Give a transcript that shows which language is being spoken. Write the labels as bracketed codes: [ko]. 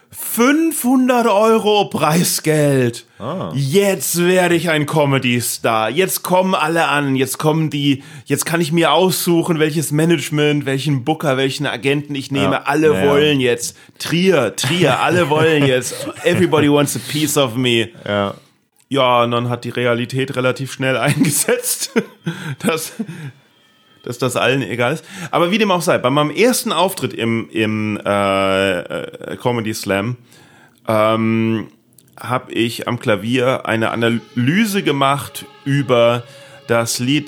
[de] 500 Euro Preisgeld. Jetzt werde ich ein Comedy-Star. Jetzt kommen alle an. Jetzt kann ich mir aussuchen, welches Management, welchen Booker, welchen Agenten ich nehme. Ja. Alle wollen jetzt. Trier, alle wollen jetzt. [en] Everybody wants a piece of me. [de] Ja, und dann hat die Realität relativ schnell eingesetzt, dass das allen egal ist. Aber wie dem auch sei, bei meinem ersten Auftritt im Comedy Slam habe ich am Klavier eine Analyse gemacht über das Lied.